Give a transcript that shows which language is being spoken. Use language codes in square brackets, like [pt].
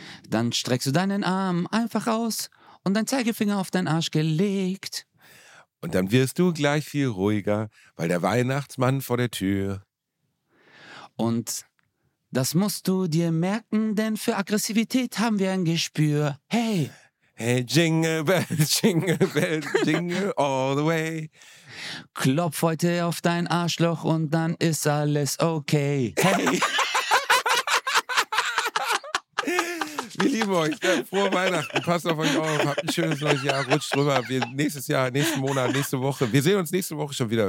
[de] Dann streckst du deinen Arm einfach aus und dein Zeigefinger auf deinen Arsch gelegt. Und dann wirst du gleich viel ruhiger, weil der Weihnachtsmann vor der Tür. Und das musst du dir merken, denn für Aggressivität haben wir ein Gespür. Hey! [en] Hey, Jingle Bells, Jingle Bells, Jingle all the way. [de] Klopf heute auf dein Arschloch und dann ist alles okay. Hey! Wir lieben euch. Frohe Weihnachten. Passt auf euch auf. Habt ein schönes neues Jahr. Rutscht drüber. Nächstes Jahr, nächsten Monat, nächste Woche. Wir sehen uns nächste Woche schon wieder.